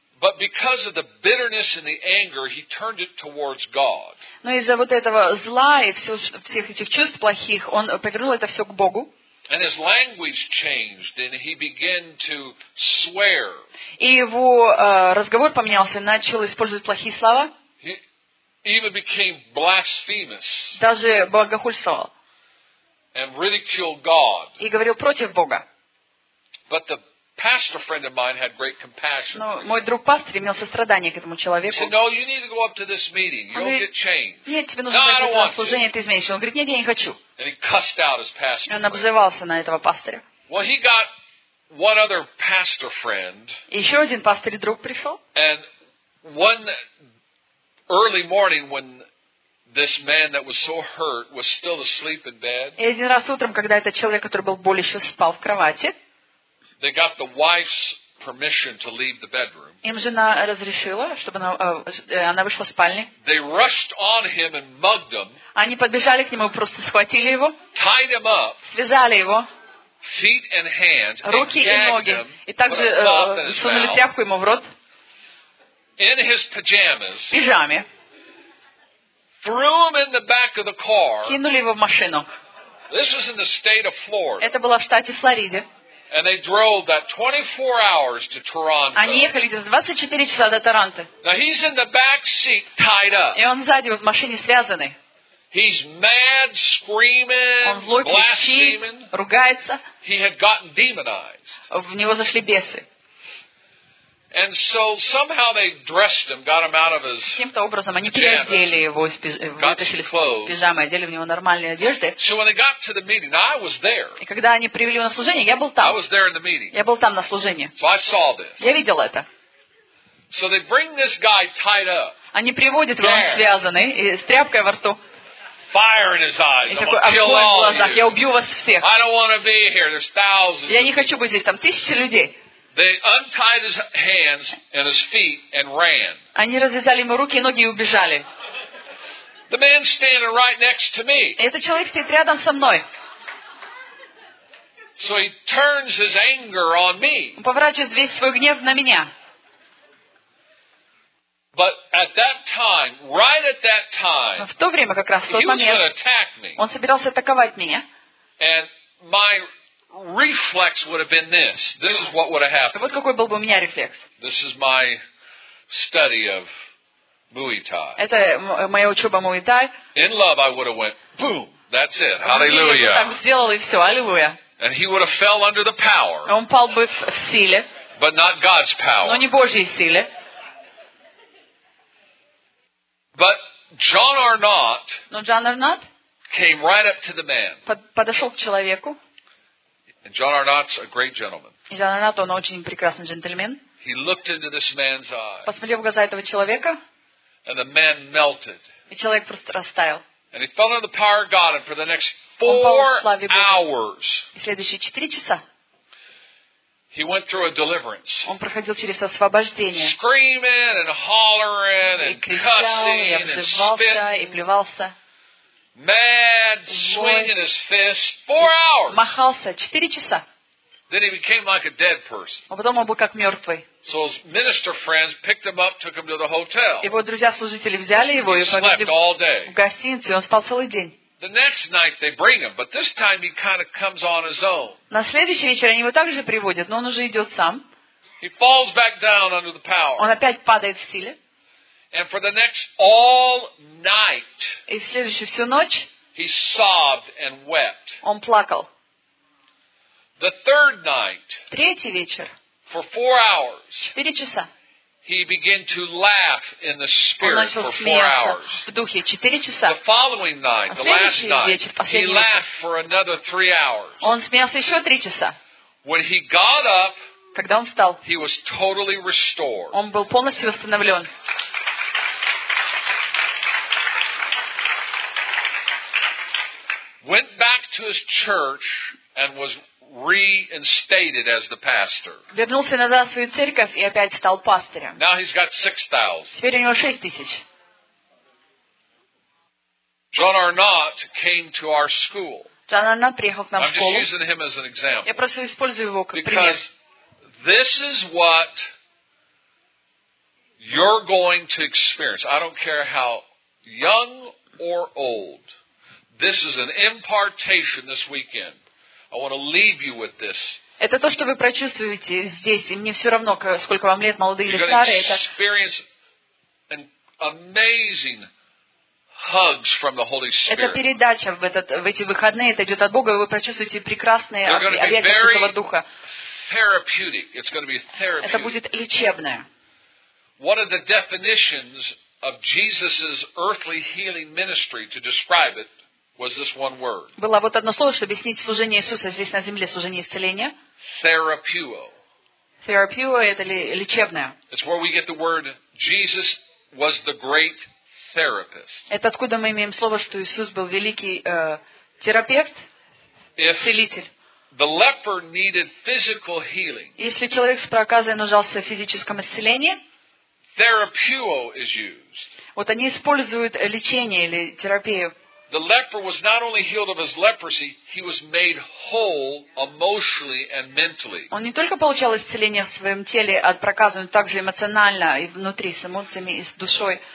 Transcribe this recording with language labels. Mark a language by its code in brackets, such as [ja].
[en] But because of the bitterness and the anger, he turned it towards God. [ru] Но из-за вот этого зла и всех этих чувств плохих, он повернул это все к Богу. [en] And his language changed, and he began to swear. [ru] И его разговор поменялся, начал использовать плохие слова. [en] He even became blasphemous. [ru] Даже богохульствовал. [en] And ridiculed God. [ru] И говорил против Бога. [en] But the pastor friend of mine had great compassion. [ru] Но мой друг пастор имел сострадание к этому человеку. [en] He said, "No, you need to go up to this meeting. You'll get changed." [ru] Нет, тебе нужно пойти на служение, ты изменишься. Он говорит, нет, я не хочу. [en] And he cussed out his pastor. [ru] Он обзывался на этого пастора. [en] Well, he got one other pastor friend. [ru] Еще один пастырь друг пришел. [en] And one early morning when this man that was so hurt was still asleep in bed. [ru] И один раз утром, когда этот человек, который был болен, еще спал в кровати. [en] They got the wife's permission to leave the bedroom. [ru] Им жена разрешила, чтобы она вышла из спальни. [en] They rushed on him and mugged him. [ru] Они подбежали к нему и просто схватили его. [en] Tied him up. [ru] Связали его. [en] Feet and hands. [ru] Руки и ноги. И также сунули тряпку ему в рот. [en] In his pajamas. [ru] В пижаме. [en] Threw him in the back of the car. [ru] Кинули его в машину. [en] This was in the state of Florida. [ru] Это было в штате Флорида. [en] And they drove that 24 hours to Toronto. [ru] Они ехали 24 часа до Торонто. [en] Now he's in the back seat, tied up. [ru] И он сзади в машине связанный. [en] He's mad, screaming, blaspheming. [ru] Ругается. [en] He had gotten demonized. [ru] В него зашли бесы. [en] And so somehow they dressed him, got him out of his [ru] каким-то образом они переодели его, вытащили пижамы, одели в него нормальные одежды. [en] So when they got to the meeting, I was there. [ru] И когда они привели его на служение, я был там. [en] I was there in the meeting. [ru] Я был там на служении. [en] So I saw this. [ru] Я видел это. [en] So they bring this guy tied up. [ru] Они приводят его, он связанный, с тряпкой во рту. [en] Fire in his eyes. [ru] И такой огонь в глазах. Я убью вас всех. [en] I don't want to be here. There's thousands. [ru] Я не хочу быть здесь. Там тысячи людей. [en] They untied his hands and his feet and ran. [ru] Они развязали ему руки и ноги и убежали. [en] The man standing right next to me. [ru] Этот человек стоит рядом со мной. [en] So he turns his anger on me. [ru] Он поворачивает весь свой гнев на меня. [en] But at that time, right at that time, [ru] в то время как раз в тот момент, он собирался атаковать меня. [en] And my reflex would have been this. This is what would have happened. [ru] Вот какой был бы у меня рефлекс. [en] This is my study of Muay Thai. [ru] Это моя учеба Muay Thai. [en] In love, I would have went boom. That's it. Hallelujah. [ru] Я бы так сделал и все. Аллилуйя. [en] And he would have fell under the power. [ru] Он пал бы в силе. [en] But not God's power. [ru] Но не Божьей силе. [en] But John Arnott. [ru] Но Джон Арнотт. [en] Came right up to the man. [ru] Подошел к человеку. [en] And John Arnott's a great gentleman. [ru] И Джон Арнотт, он очень прекрасный джентльмен. [en] He looked into this man's eyes. [ru] Посмотрел в глаза этого человека. [en] And the man melted. [ru] И человек просто растаял. [en] And he fell under the power of God, and for the next 4 hours, [ru] и следующие 4 часа, [en] he went through a deliverance. [ru] Он проходил через освобождение. [en] Screaming and hollering and cussing and spitting. [ru] И плевался. [en] Mad, swinging his fist. 4 hours. [ru] Махался 4 часа. [en] Then he became like a dead person. [ru] А потом он был как мертвый. [en] So his minister friends picked him up, took him to the hotel. [ru] Его друзья-служители взяли его и повезли в гостиницу, и он спал целый день. [en] The next night they bring him, but this time he kind of comes on his own. [ru] На следующий вечер они его также приводят, но он уже идет сам. [en] He falls back down under the power. [ru] Он опять падает в силе. [en] And for the next all night. [ru] И следующую всю ночь. [en] He sobbed and wept. [ru] Он плакал. [en] The third night. [ru] Третий вечер. [en] For 4 hours. [ru] 4 часа. [en] He began to laugh in the spirit for 4 hours. [ru] В духе 4 часа. [en] The following night, the last night, he laughed for another 3 hours. [ru] Он смеялся еще 3 часа. [en] When he got up, [ru] когда он встал, [en] he was totally restored. [ru] Он был полностью восстановлен. [en] Went back to his church and was reinstated as the pastor. [ru] Вернулся назад в свою церковь и опять стал пастором. [en] Now he's got 6,000. [ru] Теперь у него 6,000. [en] John Arnott came to our school. [ru] Джон Арнотт приехал к нам в школу. [en] I'm just using him as an example. [ru] Я просто использую его как пример. [en] Because this is what you're going to experience. I don't care how young or old. This is an impartation this weekend. I want to leave you with this. [ru] Это то, что вы прочувствуете здесь, и мне все равно, сколько вам лет, молодые или старые. [en] You're going to experience an amazing hugs from the Holy Spirit. [ru] Эта передача в эти выходные идет от Бога, и вы прочувствуете прекрасные объятия Святого Духа. [en] Therapeutic. It's going to be therapeutic. [ru] Это будет лечебное. [en] What are the definitions of Jesus's earthly healing ministry to describe it? Was this one word? [ru] Было вот одно слово, чтобы объяснить служение Иисуса здесь на земле, служение исцеления. [en] Therapeuo. [ru] Therapeuo – это лечебное. [en] It's where we get the word Jesus was the great therapist. [ru] Это откуда мы имеем слово, что Иисус был великий терапевт, исцелитель. [en] The leper needed physical healing. [ru] Если человек с проказой нуждался в физическом исцелении. [en] Therapeuo is used. [ru] Вот они используют лечение или терапию. [en] The leper was not only healed of his leprosy, he was made whole emotionally and mentally. [ru] Он не только получал исцеление в своем теле от проказы, но также эмоционально и внутри, с эмоциями и с душой.